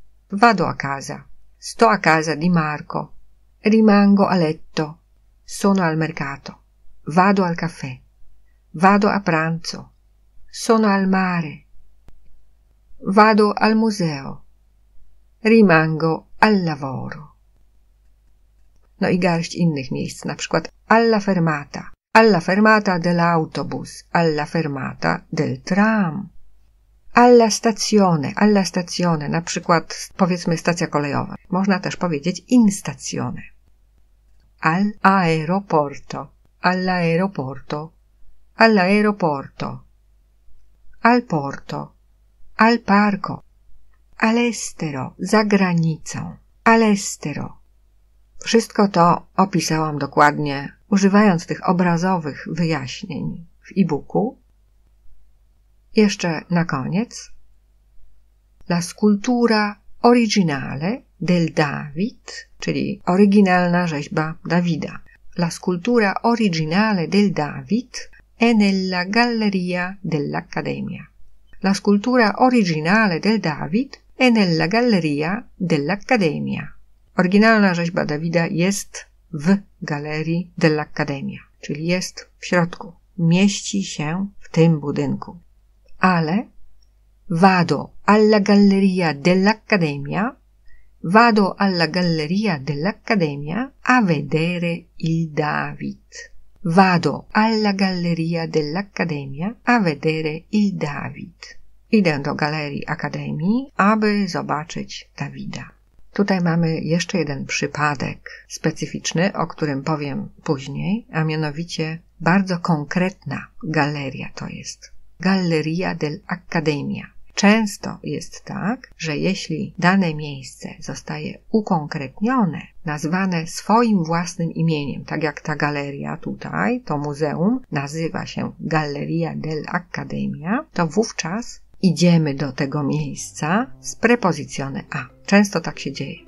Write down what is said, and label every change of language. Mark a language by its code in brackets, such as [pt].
[it] Vado a casa, sto a casa di Marco, rimango a letto, sono al mercato, vado al caffè, vado a pranzo, sono al mare, vado al museo, rimango al lavoro. [pl] No i garść innych miejsc, na przykład [it] alla fermata, alla fermata dell'autobus, alla fermata del tram, alla stazione, [pl] na przykład powiedzmy stacja kolejowa. Można też powiedzieć [it] in stazione. Al aeroporto, all'aeroporto, all'aeroporto, al porto, al parco, all'estero, [pl] za granicą, [it] all'estero. [pl] Wszystko to opisałam dokładnie, używając tych obrazowych wyjaśnień w e-booku. Jeszcze na koniec. [it] La scultura Originale del David, [pl] czyli oryginalna rzeźba Dawida. [it] La scultura originale del David è nella galleria dell'Accademia. La scultura originale del David è nella galleria dell'Accademia. [pl] Oryginalna rzeźba Dawida jest w galerii dell'Accademia, czyli jest w środku, mieści się w tym budynku. Ale [it] vado alla galleria dell'Accademia, vado alla galleria dell'Accademia a vedere il David. Vado alla galleria dell'Accademia a vedere il David. [pl] Idę do galerii Akademii, aby zobaczyć Dawida. Tutaj mamy jeszcze jeden przypadek specyficzny, o którym powiem później, a mianowicie bardzo konkretna galeria to jest. [it] Galleria dell'Accademia. [pl] Często jest tak, że jeśli dane miejsce zostaje ukonkretnione, nazwane swoim własnym imieniem, tak jak ta galeria tutaj, to muzeum, nazywa się Galleria dell'Accademia, to wówczas idziemy do tego miejsca z prepozycjone a. Często tak się dzieje.